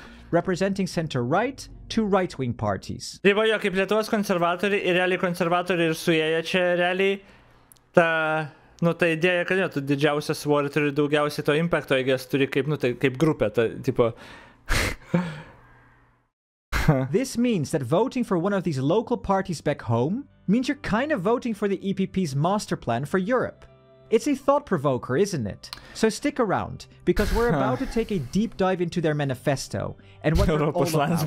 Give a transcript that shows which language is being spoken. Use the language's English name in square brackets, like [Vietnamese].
[English] Representing center-right to right-wing parties. [Lithuanian] Nu, tai idėja, kad jau, tu didžiausią svorį turi daugiausiai to impacto, jeigu jas turi kaip, nu, tai, kaip grupė, ta, tipo... [English] This means that voting for one of these local parties back home means you're kind of voting for the EPP's master plan for Europe. It's a thought provoker, isn't it? So stick around, because we're about to take a deep dive into their manifesto and what they're all about.